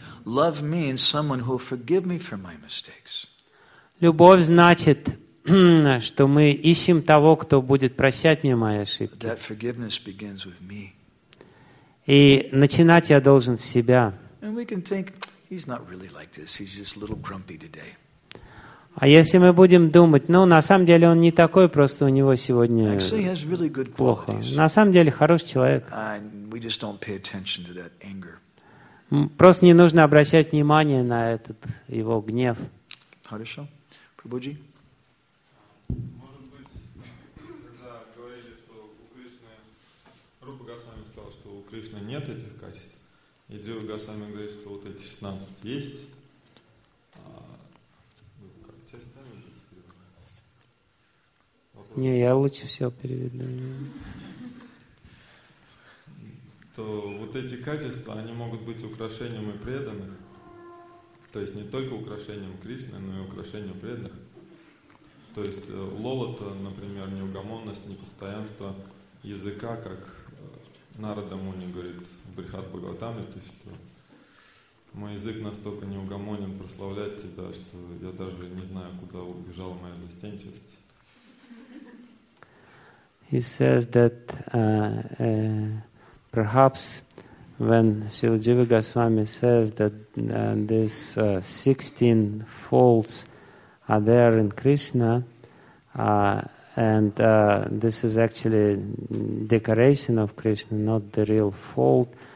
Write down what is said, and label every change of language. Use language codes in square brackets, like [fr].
[en] Love means someone who will forgive me for my mistakes. [ru] Любовь значит, что мы ищем того, кто будет прощать мне мои ошибки. [en] That forgiveness begins with me. [ru] И начинать я должен с себя. [en] And we can think, he's not really like this. He's just a little grumpy today. [ru] А если мы будем думать, ну, на самом деле он не такой, просто у него сегодня [en] really [ru] плохо. На самом деле хороший человек. [en] We just don't pay attention to that anger. [ru] Просто не нужно обращать внимание на этот его гнев. Хорошо. Прабуджи. Может быть, когда говорили, что у Кришны... Рупа Госвами сказал, что у Кришны нет этих качеств, и Джива Госвами говорит, что вот эти 16 есть. Как тебя ставили? Не, я лучше всего переведу. То вот эти качества, они могут быть украшением и преданных. То есть не только украшением Кришны, но и украшением преданных. То есть лолота, например, неугомонность, непостоянство языка, как Нарада Муни говорит в Брихат Бхагаватамрите, что мой язык настолько неугомонен прославлять тебя, что я даже не знаю, куда убежала моя застенчивость. [en] He says that perhaps when Srila Jiva Goswami says that these 16 faults are there in Krishna, and this is actually decoration of Krishna, not the real fault,